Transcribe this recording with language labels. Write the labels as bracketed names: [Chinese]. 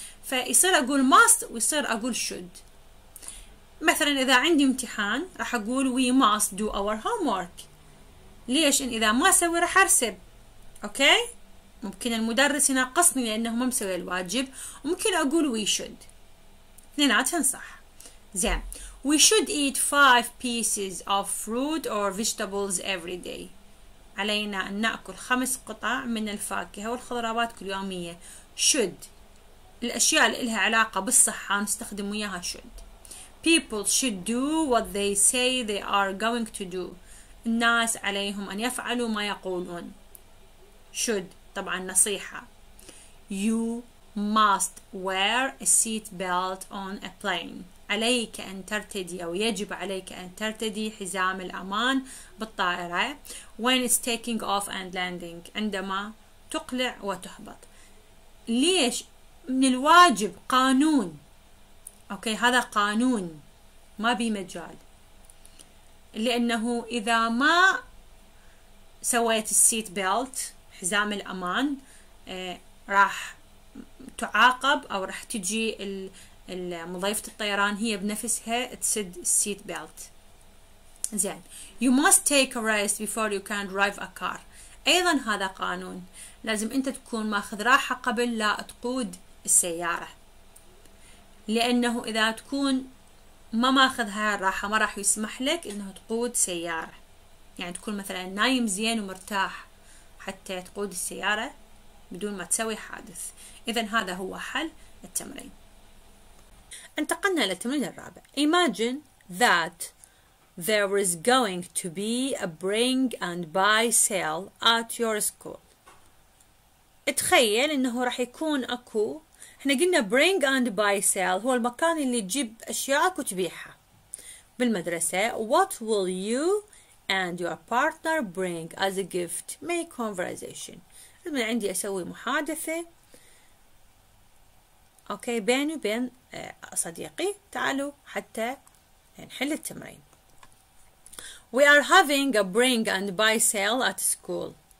[Arabic] فيصير أقول must ويصير أقول should. مثلا إذا عندي امتحان راح أقول [English] we must do our homework. [Arabic] ليش؟ إن إذا ما أسوي راح أرسب. أوكي؟ ممكن المدرس ينقصني لأنه ما مسوي الواجب. ممكن أقول [English] we should. [Arabic] اثنيناتهم صح. زين. [English] We should eat 5 pieces of fruit or vegetables every day. [Arabic] علينا أن نأكل 5 قطع من الفاكهة والخضروات كل يومية. [English] Should. [Arabic] الأشياء اللي لها علاقة بالصحة نستخدم وياها should. [English] People should do what they say they are going to do. [Arabic] الناس عليهم أن يفعلوا ما يقولون. Should. طبعا نصيحة. [English] You must wear a seat belt on a plane. [Arabic] عليك أن ترتدي أو يجب عليك أن ترتدي حزام الأمان بالطائرة. [English] When it's taking off and landing. [Arabic] عندما تقلع وتهبط. ليش؟ من الواجب قانون. أوكي هذا قانون ما بمجال. لأنه إذا ما سويت السيت بيلت حزام الأمان راح تعاقب أو راح تجي المضيفة الطيران هي بنفسها تسد السيت بيلت. زين [English] you must take a rest before you can drive a car. [Arabic] أيضا هذا قانون لازم أنت تكون ماخذ راحة قبل لا تقود السيارة. لأنه إذا تكون ما ماخذ هاي الراحة ما راح يسمح لك إنه تقود سيارة. يعني تكون مثلا نايم زين ومرتاح حتى تقود السيارة بدون ما تسوي حادث. إذن هذا هو حل التمرين. انتقلنا للتمرين الرابع. [English] Imagine that there is going to be a bring and buy sale at your school. [Arabic] تخيل إنه راح يكون أكو. احنا قلنا [English] bring and buy sale [Arabic] هو المكان اللي تجيب أشياءك وتبيعها بالمدرسة. [English] What will you and your partner bring as a gift? Make conversation. [Arabic] لما عندي أسوي محادثة أوكي بيني وبين صديقي تعالوا حتى نحل التمرين. [English] We are having a bring and buy sale at school.